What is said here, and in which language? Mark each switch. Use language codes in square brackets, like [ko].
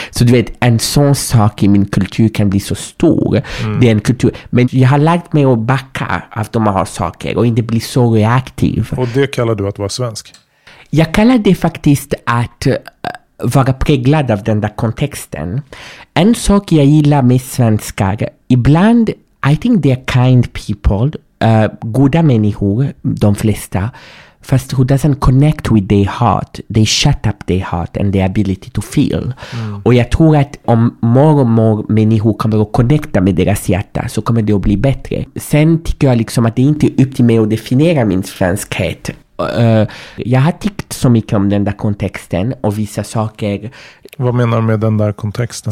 [sv] Så du vet, en sån sak i min kultur kan bli så stor. Det är en kultur. Men jag har lagt mig att backa av de här saker och inte bli så reaktiv. Och det kallar du att vara svensk? Jag kallar det faktiskt att vara präglad av den där kontexten. En sak jag gillar med svenskar, ibland, [en] I think they're kind people, [sv] goda människor, de flesta, fast [en] who doesn't connect with their heart, they shut up their heart and their ability to feel. [sv] Och jag tror att om mer och mer människor kommer att connecta med deras hjärta så kommer det att bli bättre. Sen tycker jag liksom att det inte är upp till mig att definiera min svenskhet. Jag har tyckt så mycket om den där kontexten och vissa saker. Vad menar du med den där kontexten?